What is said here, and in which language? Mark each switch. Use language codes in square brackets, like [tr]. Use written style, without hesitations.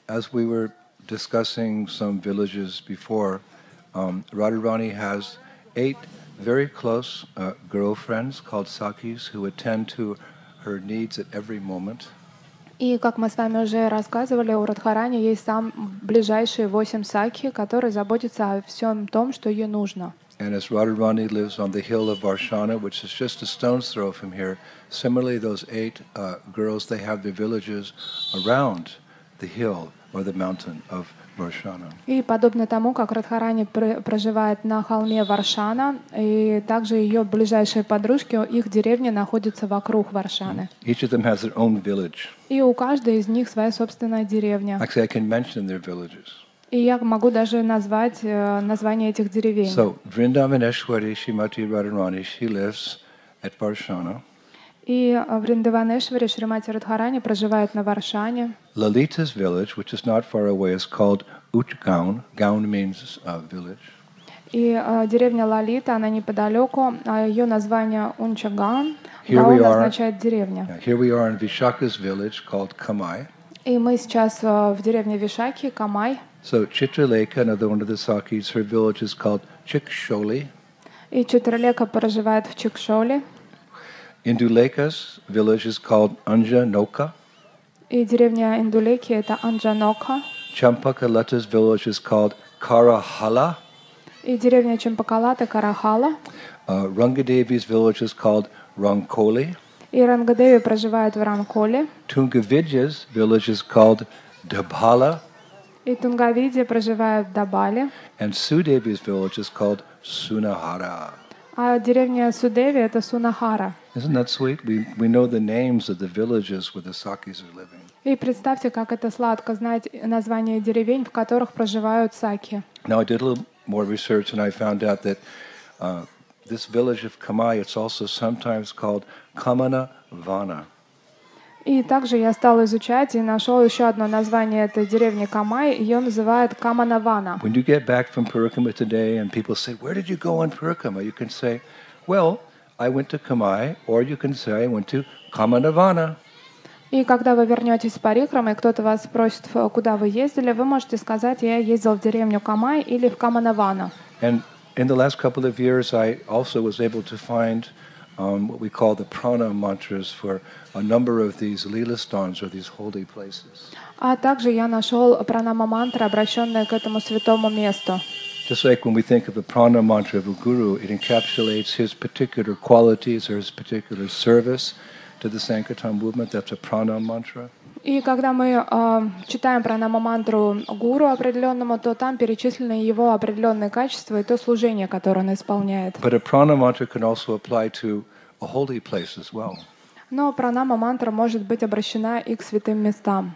[en] As we were discussing some villages before, Radharani has 8 very close girlfriends called Sakis who attend to her needs at every moment. [ru] И как мы с вами уже рассказывали, у Радхарани есть сам ближайшие 8 сакхи, которые заботятся о всем том, что ей нужно. [en] And as Radharani lives on the hill of Varshana, which is just a stone's throw from here, similarly those 8 girls, they have their villages around the hill or the mountain of Varshana. [ru] И подобно тому, как Радхарани проживает на холме Варшана, и также ее ближайшие подружки, их деревни находятся вокруг Варшаны. [en] Each of them has their own village. [ru] И у каждой из них своя собственная деревня. [en] Actually, I can mention their villages. [ru] И я могу даже назвать название этих деревень. [en] So, Vrindavaneshwari Shrimati Radharani, she lives at Varshana. [ru] И Вриндаванешвари Шримати Радхарани проживает на Варшане. [en] Lalita's village, which is not far away, is called Utgaon. Gaon means village. [ru] И деревня Лалита, она неподалеку, а ее название Унчагаон. [en] Here [ru] означает деревня. [en] Here we are in Vishakha's village called Kamai. [ru] И мы сейчас в деревне Вишакхи, Камай. [en] So Chitraleka, another one of the Sakis, her village is called Chiksholi. [ru] И Chitraleka проживает в Chiksholi. [en] Induleka's village is called Anjanoka. [ru] И деревня Индулеки — это Анджаноха. [en] Champakalata's village is called Karahala. [ru] И деревня Чемпакалата — Карахала. [en] Рангадеви's village is called Ранколи. [ru] И Рангадеви проживает в Ранколи. [en] Тунгавидья's village is called Дабхала. [ru] И Тунгавидья проживает в Дабхале. [en] And Судеви's village is called Сунахара. [ru] А деревня Судеви — это Сунахара. [en] Isn't that sweet? We know the names of the villages where the Sakis are living. [ru] И представьте, как это сладко знать названия деревень, в которых проживают Саки. [en] Now I did a little more research and I found out that this village of Kamai, it's also sometimes called Kamana Vana. [ru] И также я стал изучать и нашел еще одно название этой деревни Камай. Ее называют Kamana Vana. [en] When you get back from Purukkama today and people say, "Where did you go on Purukkama?" You can say, "Well, I went to Kamai," or you can say, "I went to Kamana Vana." [ru] И когда вы вернетесь в Парикрама, и кто-то вас спросит, куда вы ездили, вы можете сказать, я ездил в деревню Камай или в Kamana Vana. [en] And in the last couple of years, I also was able to find what we call the prana mantras for a number of these lilastans or these holy places. [ru] А также я нашел пранама-мантры, обращенные к этому святому месту. [en] Just like when we think of the prana mantra of a guru, it encapsulates his particular qualities or his particular service to the Sankirtan movement. That's a prana mantra. [ru] И когда мы читаем пранама-мантру гуру определенному, то там перечислены его определенные качества и то служение, которое он исполняет. [en] But a prana mantra can also apply to a holy place as well. [ru] Но пранама-мантра может быть обращена и к святым местам.